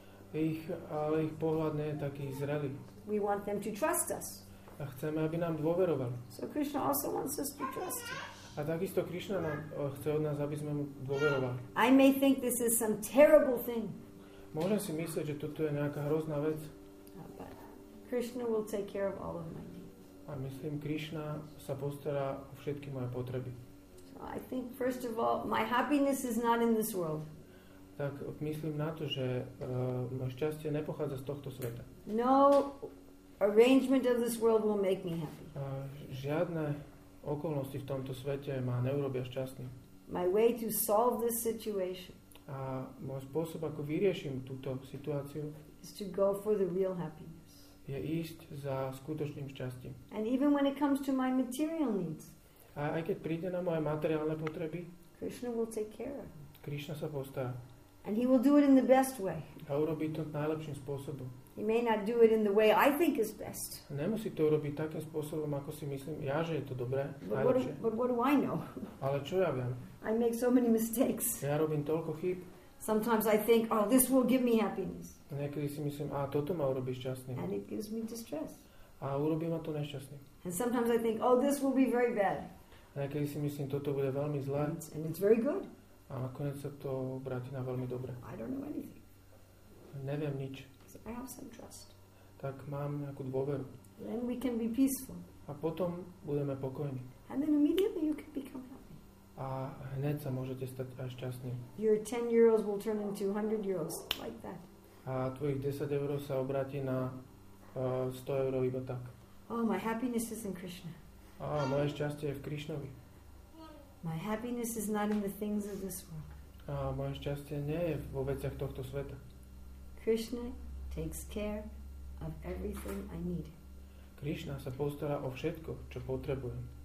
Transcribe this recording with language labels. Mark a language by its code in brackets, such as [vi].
[sk] Ale ich pohľad nie je taký zrelý. [en] We want them to trust us. [sk] A chceme, aby nám dôverovali. [en] So Krishna also wants us to trust. [sk] A takisto Krishna nám chce od nás, aby sme mu dôverovali. [en] I may think this is some terrible thing. [sk] Môžem si myslieť, že toto je nejaká hrozná vec. [en] Krishna will take care of all of my needs. [sk] A myslím, Krishna sa postará o všetky moje potreby. [en] So I think first of all, my happiness is not in this world. [sk] Tak myslím na to, že moje šťastie nepochádza z tohto sveta. [en] No arrangement of this world will make me happy. [sk] Žiadne okolnosti v tomto svete ma neurobia šťastný. [en] My way to solve this situation. [sk] A môj spôsob, ako vyriešim túto situáciu, [en] is to go for the real happiness. [sk] Je ísť za skutočným šťastím. [en] And even when it comes to my material needs. [sk] A aj keď príde na moje materiálne potreby, [en] Krishna will take care of. [sk] Krishna sa postará. [en] And he will do it in the best way. [sk] A urobí to najlepším spôsobom. [en] He may not do it in the way I think is best. [sk] Nemusí to urobiť takým spôsobom, ako si myslím, ja, že je to dobré, najlepšie. [en] But what do I know? [sk] Ale čo ja viem? [en] I make so many mistakes. [sk] Ja robím toľko chýb. [en] Sometimes I think, oh, this will give me happiness. [sk] Niekedy si myslím, a toto ma urobí šťastným. [en] And it gives me distress. [sk] A urobí ma to nešťastným. [en] And sometimes I think, oh, this will be very bad. [sk] Niekedy si myslím, toto bude veľmi zlé. [en] And it's very good. [sk] A nakoniec sa to obráti na veľmi dobre. [en] I don't know anything. [sk] Neviem nič. [en] So I have some trust. [sk] Tak mám nejakú dôveru. [en] Then we can be peaceful. [sk] A potom budeme pokojní. [en] And then immediately you can become happy. [sk] A hneď sa môžete stať aj šťastný. [en] Your 10 euros will turn into 100 euros like that. [sk] A tvojich 10 eur sa obráti na 100 eur iba tak. [en] Oh, my happiness is in Krishna. [sk] A moje šťastie je v Krišnovi. [en] My happiness is not in the things of this world. [sk] A moje šťastie nie je vo veciach tohto sveta. [en] Krishna takes care of everything I need. [sk] Krishna sa postará o všetko, čo potrebujem.